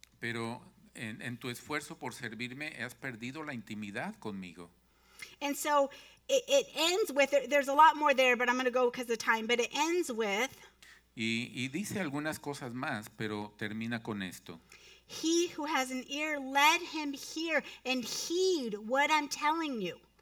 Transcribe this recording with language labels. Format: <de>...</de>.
<es>Pero en tu esfuerzo por servirme, has perdido la intimidad conmigo.</es> <en>And so it ends with, there's a lot more there, but I'm going to go because of time, but it ends with,</en> <es>y dice algunas cosas más, pero termina con esto.</es> <en>He who has an ear, let him hear and heed what I'm telling you.</en>